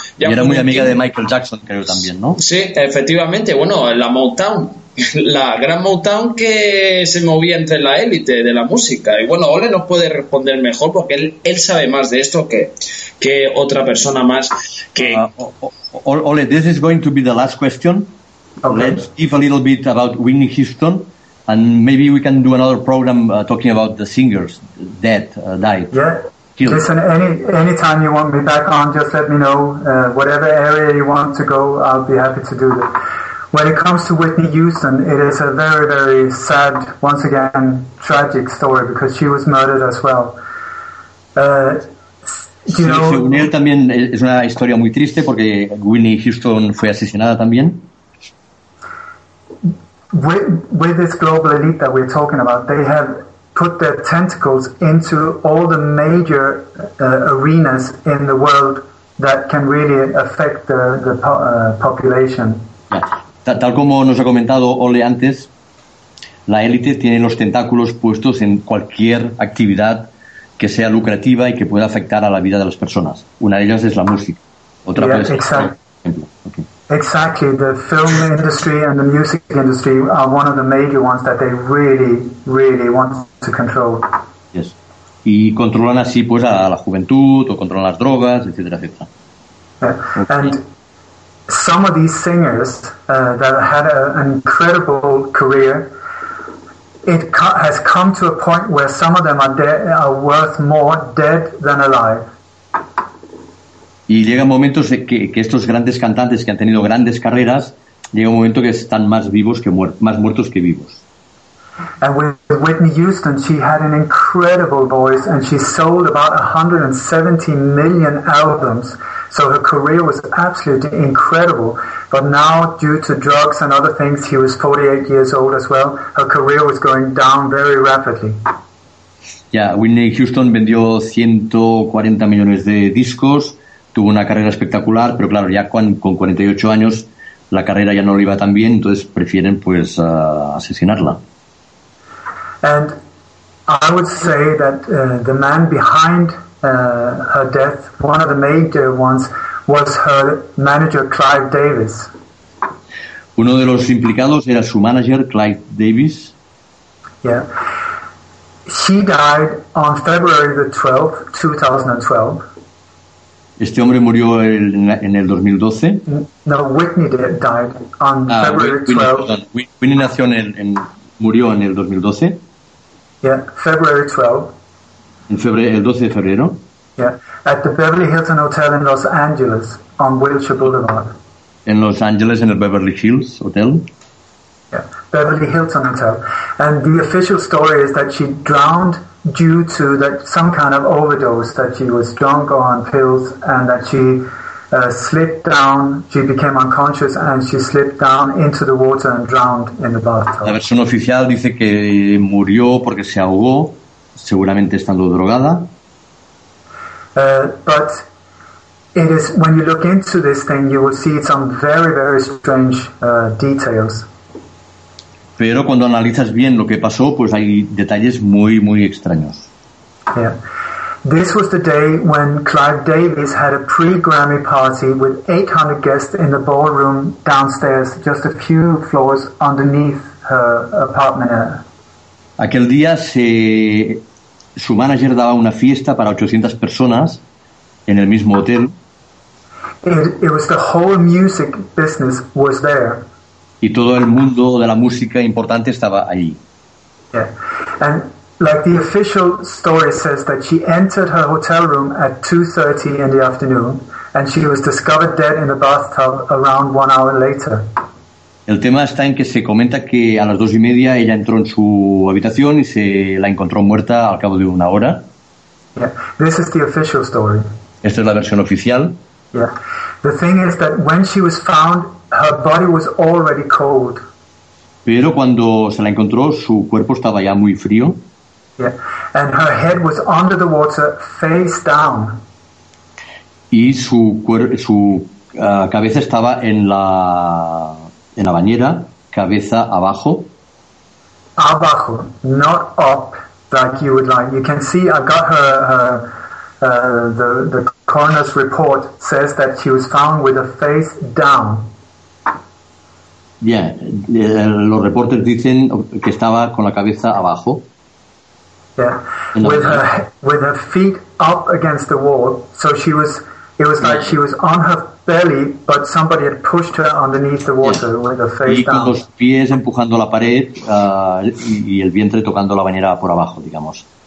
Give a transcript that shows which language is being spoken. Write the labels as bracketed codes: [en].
[es] Ya y era muy amiga de Michael Jackson, creo también, ¿no? Sí, efectivamente. Bueno, la Motown, la gran Motown que se movía entre la élite de la música. Y bueno, Ole nos puede responder mejor porque él sabe más de esto que otra persona más. Que [en] Ole, this is going to be the last question. Okay. Let's give a little bit about Whitney Houston, and maybe we can do another program talking about the singers that died. Yeah, killed. Listen, any time you want me back on, just let me know. Whatever area you want to go, I'll be happy to do that. When it comes to Whitney Houston, it is a very, very sad, once again, tragic story, because she was murdered as well. [es] Unir también es una historia muy triste, porque Whitney Houston fue asesinada también. [en] With this global elite that we're talking about, they have put their tentacles into all the major arenas in the world that can really affect the population. [es] Tal como nos ha comentado Ole antes, la élite tiene los tentáculos puestos en cualquier actividad que sea lucrativa y que pueda afectar a la vida de las personas. Una de ellas es la música. Otra puede ser, por ejemplo. [en] Exactly, the film industry and the music industry are one of the major ones that they really, really want to control. Yes. [es] Y controlan así pues a la juventud, o controlan las drogas, etcétera, etcétera. [en] Okay. And some of these singers that had an incredible career, it has come to a point where some of them are worth more dead than alive. [es] Y llegan momentos que estos grandes cantantes que han tenido grandes carreras, llega un momento que están más vivos que más muertos que vivos. [en] And with Whitney Houston, she had an incredible voice and she sold about 170 million albums. So her career was absolutely incredible. But now, due to drugs and other things, she was 48 years old as well. Her career was going down very rapidly. [es] Yeah, Whitney Houston vendió 140 millones de discos. Tuvo una carrera espectacular, pero claro, ya con 48 años la carrera ya no le iba tan bien, entonces prefieren pues asesinarla. [en] And I would say that the man behind her death, one of the major ones, was her manager Clive Davis. [es] Uno de los implicados era su manager Clive Davis. [en] Yeah. She died on February the 12th, 2012. [es] Este hombre murió en el 2012. [en] No, Whitney died on February 12. [es] Whitney nació murió en el 2012. [en] Yeah, February 12. [es] El 12 de febrero. [en] Yeah, at the Beverly Hilton Hotel in Los Angeles on Wilshire Boulevard. [es] En Los Ángeles, en el Beverly Hills Hotel. [en] Yeah, Beverly Hilton Hotel. And the official story is that she drowned due to that some kind of overdose, that she was drunk or on pills, and that she slipped down, she became unconscious, and she slipped down into the water and drowned in the bathtub. [es] La versión oficial dice que murió porque se ahogó, seguramente estando drogada. [en] But it is, when you look into this thing, you will see some very, very strange details. [es] Pero cuando analizas bien lo que pasó, pues hay detalles muy, muy extraños. [en] Yeah. This was the day when Clive Davis had a pre-Grammy party with 800 guests in the ballroom downstairs, just a few floors underneath her apartment. [es] Aquel día su manager daba una fiesta para 800 personas en el mismo hotel. [en] It was the whole music business was there. [es] Y todo el mundo de la música importante estaba ahí. [en] Yeah. And like the official story says that she entered her hotel room at 2:30 in the afternoon and she was discovered dead in the bathtub around 1 hour later. [es] El tema está en que se comenta que a las 2:30 ella entró en su habitación y se la encontró muerta al cabo de una hora. [en] Yeah. This is the official story. [es] Esta es la versión oficial. [en] Yeah. The thing is that when she was found, her body was already cold. [es] Pero cuando se la encontró, su cuerpo estaba ya muy frío. [en] Yeah. And her head was under the water, face down. [es] Y su cabeza estaba en la bañera, cabeza abajo. Abajo, [en] not up like you would like. You can see I got the coroner's report says that she was found with her face down. [es] Yeah, los reportes dicen que estaba con la cabeza abajo. [en] Yeah, with her feet up against the wall, so she was. It was like she was on her belly, but somebody had pushed her underneath the water with her face down. [es] Y con los pies empujando la pared y el vientre tocando la bañera por abajo, digamos.